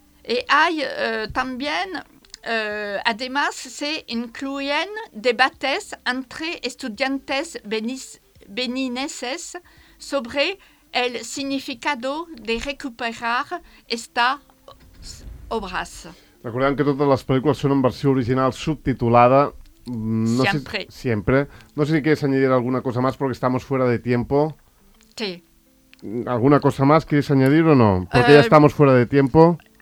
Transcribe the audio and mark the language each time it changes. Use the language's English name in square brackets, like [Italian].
[Spanish] Y hay también, además, se incluyen debates entre estudiantes benineses sobre el significado de recuperar estas obras. [Catalan] Recordem que totes les pel·lícules són en versió original subtitulada. No sempre. Sempre. [Spanish] No sé si quieres añadir alguna cosa más porque estamos fuera de tiempo. Sí. ¿Alguna cosa más quieres añadir o no? Porque ya estamos fuera de tiempo.